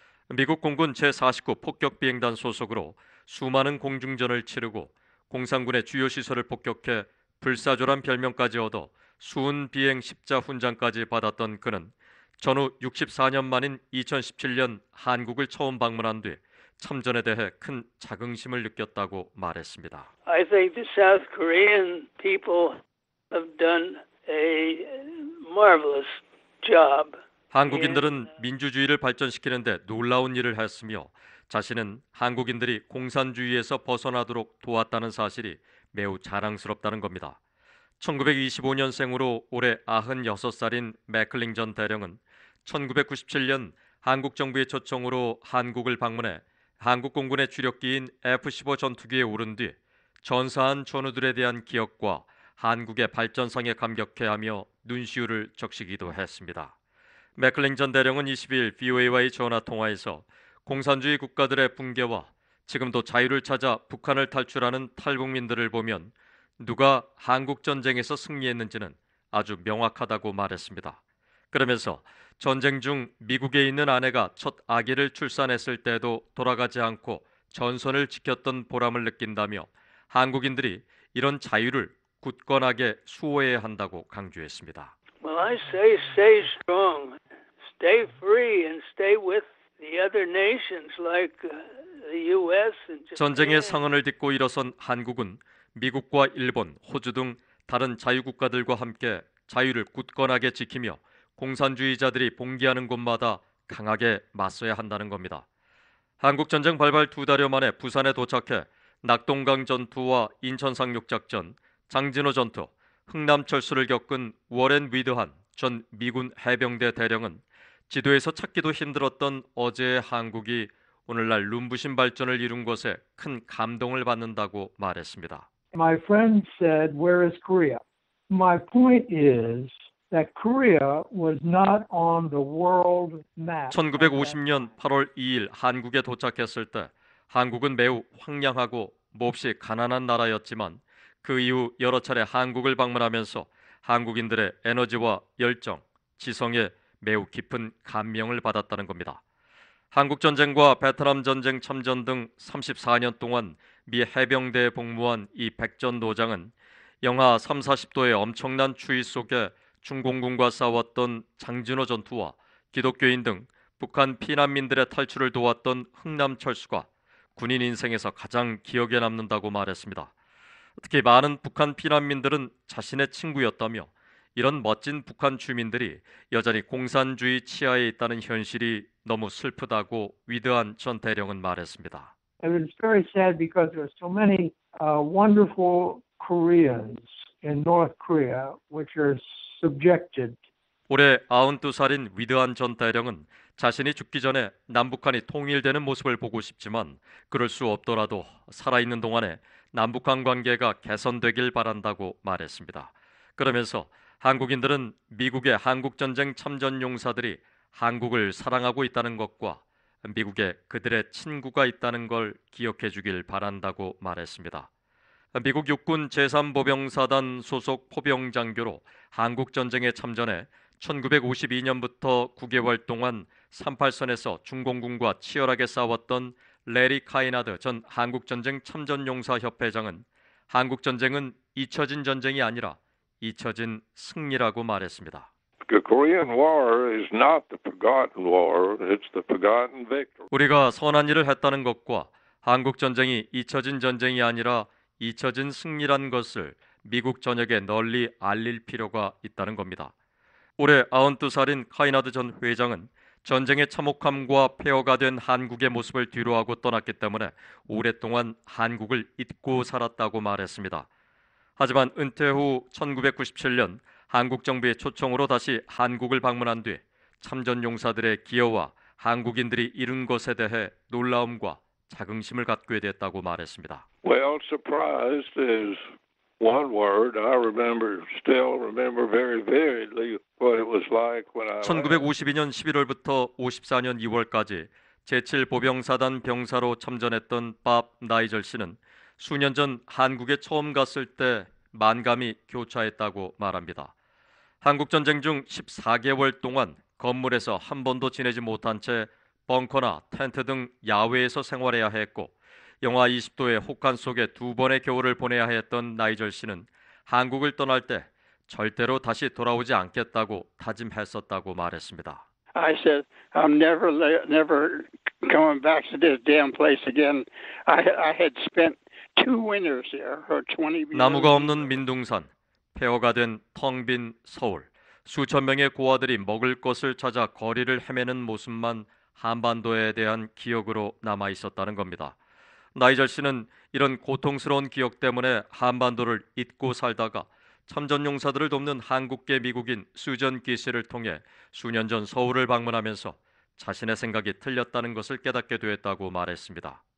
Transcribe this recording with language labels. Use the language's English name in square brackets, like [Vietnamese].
[Korean] 미국 공군 제49 폭격비행단 소속으로 수많은 공중전을 치르고 공산군의 주요 시설을 폭격해 불사조란 별명까지 얻어 수은 비행 십자 훈장까지 받았던 그는 전후 64년 만인 2017년 한국을 처음 방문한 뒤 참전에 대해 큰 자긍심을 느꼈다고 말했습니다. [English] I think the South Korean people have done a marvelous job. [Korean] 한국인들은 민주주의를 발전시키는 데 놀라운 일을 했으며 자신은 한국인들이 공산주의에서 벗어나도록 도왔다는 사실이 매우 자랑스럽다는 겁니다. 1925년생으로 올해 96살인 맥클링 전 대령은 1997년 한국 정부의 초청으로 한국을 방문해 한국 공군의 주력기인 F-15 전투기에 오른 뒤 전사한 전우들에 대한 기억과 한국의 발전상에 감격해하며 눈시울을 적시기도 했습니다. 맥클링 전 대령은 22일 VOA와의 전화통화에서 공산주의 국가들의 붕괴와 지금도 자유를 찾아 북한을 탈출하는 탈북민들을 보면 누가 한국전쟁에서 승리했는지는 아주 명확하다고 말했습니다. 그러면서 전쟁 중 미국에 있는 아내가 첫 아기를 출산했을 때도 돌아가지 않고 전선을 지켰던 보람을 느낀다며 한국인들이 이런 자유를 굳건하게 수호해야 한다고 강조했습니다. [English] Well, I say stay strong, stay free and stay with the other nations like the US and Japan. [Korean] 전쟁의 상흔을 딛고 일어선 한국은 미국과 일본, 호주 등 다른 자유국가들과 함께 자유를 굳건하게 지키며 공산주의자들이 봉기하는 곳마다 강하게 맞서야 한다는 겁니다. 한국전쟁 발발 두 달여 만에 부산에 도착해 낙동강 전투와 인천상륙작전, 장진호 전투, 흥남 철수를 겪은 워렌 위드한 전 미군 해병대 대령은 지도에서 찾기도 힘들었던 어제의 한국이 오늘날 눈부신 발전을 이룬 것에 큰 감동을 받는다고 말했습니다. [English] My friend said, where is Korea? My point is that Korea was not on the world map. [Korean] 1950년 8월 2일 한국에 도착했을 때 한국은 매우 황량하고 몹시 가난한 나라였지만 그 이후 여러 차례 한국을 방문하면서 한국인들의 에너지와 열정, 지성에 매우 깊은 감명을 받았다는 겁니다. 한국전쟁과 베트남 전쟁 참전 등 34년 동안 미 해병대에 복무한 이 백전 노장은 영하 30-40도의 엄청난 추위 속에 중공군과 싸웠던 장진호 전투와 기독교인 등 북한 피난민들의 탈출을 도왔던 흥남 철수가 군인 인생에서 가장 기억에 남는다고 말했습니다. 특히 많은 북한 피난민들은 자신의 친구였다며 이런 멋진 북한 주민들이 여전히 공산주의 치하에 있다는 현실이 너무 슬프다고 위드한 전 대령은 말했습니다. [English] It was very sad because there were so many wonderful Koreans in North Korea which are subjected. [Korean] 올해 92살인 위드한 전 대령은 자신이 죽기 전에 남북한이 통일되는 모습을 보고 싶지만 그럴 수 없더라도 살아있는 동안에 남북한 관계가 개선되길 바란다고 말했습니다. 그러면서 한국인들은 미국의 한국전쟁 참전용사들이 한국을 사랑하고 있다는 것과 미국에 그들의 친구가 있다는 걸 기억해 주길 바란다고 말했습니다. 미국 육군 제3보병사단 소속 포병장교로 한국전쟁에 참전해 1952년부터 9개월 동안 38선에서 중공군과 치열하게 싸웠던 레리 카이나드 전 한국전쟁 참전용사협회장은 한국전쟁은 잊혀진 전쟁이 아니라 잊혀진 승리라고 말했습니다. [English] The Korean War is not the forgotten war, it's the forgotten victory. [Korean] 우리가 선한 일을 했다는 것과 한국전쟁이 잊혀진 전쟁이 아니라 잊혀진 승리란 것을 미국 전역에 널리 알릴 필요가 있다는 겁니다. 올해 92살인 카이나드 전 회장은 전쟁의 참혹함과 폐허가 된 한국의 모습을 뒤로하고 떠났기 때문에 오랫동안 한국을 잊고 살았다고 말했습니다. 하지만 은퇴 후 1997년 한국 정부의 초청으로 다시 한국을 방문한 뒤 참전용사들의 기여와 한국인들이 이룬 것에 대해 놀라움과 자긍심을 갖게 됐다고 말했습니다. [English] Well, surprised is one word. I remember, still remember very vividly what it was like when I. [Korean] 1952년 11월부터 54년 2월까지 제7보병사단 병사로 참전했던 밥 나이절 씨는 수년 전 한국에 처음 갔을 때 만감이 교차했다고 말합니다. 한국전쟁 중 14개월 동안 건물에서 한 번도 지내지 못한 채 벙커나 텐트 등 야외에서 생활해야 했고 영하 20도의 혹한 속에 두 번의 겨울을 보내야 했던 나이절 씨는 한국을 떠날 때 절대로 다시 돌아오지 않겠다고 다짐했었다고 말했습니다. [English] I said I'm never coming back to this damn place again. I had spent two winters here for 20 years. [Korean] 나무가 없는 민둥산, 폐허가 된 텅 빈 서울, 수천 명의 고아들이 먹을 것을 찾아 거리를 헤매는 모습만 한반도에 대한 기억으로 남아 있었다는 겁니다. 나이절 씨는 이런 고통스러운 기억 때문에 한반도를 잊고 살다가 참전용사들을 돕는 한국계 미국인 수전 기씨를 통해 수년 전 서울을 방문하면서 자신의 생각이 틀렸다는 것을 깨닫게 되었다고 말했습니다.